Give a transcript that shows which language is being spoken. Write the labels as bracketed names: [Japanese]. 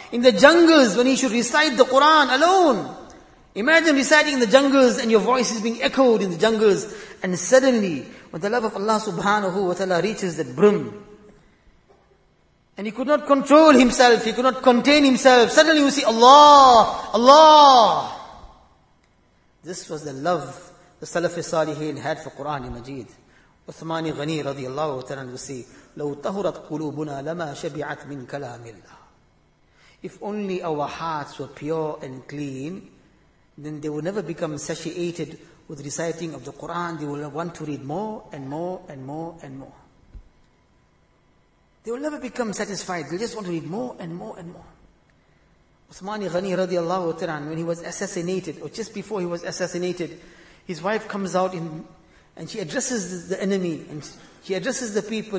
[English] In the jungles, when he should recite the Qur'an alone, imagine reciting in the jungles and your voice is being echoed in the jungles, and suddenly, when the love of Allah subhanahu wa ta'ala reaches that brim, and he could not control himself, he could not contain himself, suddenly you see Allah, Allah. This was the love the Salafi Saliheen had for Qur'an Majeed. [Arabic] Uthmani Ghani radiallahu ta'ala [English] would say, [Arabic] لَوْ تَهُرَتْ قُلُوبُنَا لَمَا شَبِعَتْ مِنْ كَلَامِ اللَّهِ. [English] If only our hearts were pure and clean, then they will never become satiated with reciting of the Qur'an. They will want to read more and more and more and more. They will never become satisfied. They just want to read more and more and more. Uthmani Ghani radiallahu ta'ala, when he was assassinated, or just before he was assassinated, his wife comes out in, and she addresses the enemy, and she addresses the people.